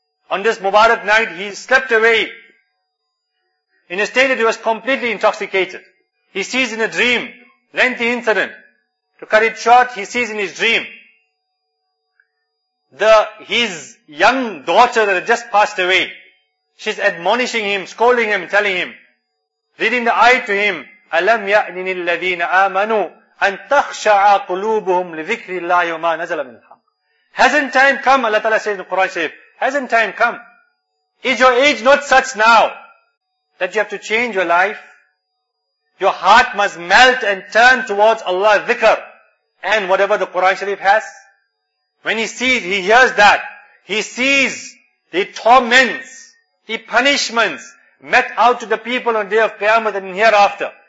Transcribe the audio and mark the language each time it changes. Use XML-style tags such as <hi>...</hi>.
<en>On this Mubarak night, he slept away in a state that he was completely intoxicated. He sees in a dream, lengthy incident. To cut it short, he sees in his dream his young daughter that had just passed away. She's admonishing him, scolding him, telling him, reading the ayah to him,</en> <ar>أَلَمْ يَأْنِنِ الَّذِينَ آمَنُوا أَن تَخْشَعَ قُلُوبُهُمْ لِذِكْرِ اللَّهِ وَمَا نَزَلَ مِنْ الْحَقِّ.</ar> <en>Hasn't time come, Allah Ta'ala says in the Quran Sharif, hasn't time come? Is your age not such now that you have to change your life? Your heart must melt and turn towards Allah's dhikr and whatever the Quran Sharif has. When he sees, he hears that, he sees the torments, the punishments met out to the people on the day of Qiyamah and hereafter.</en>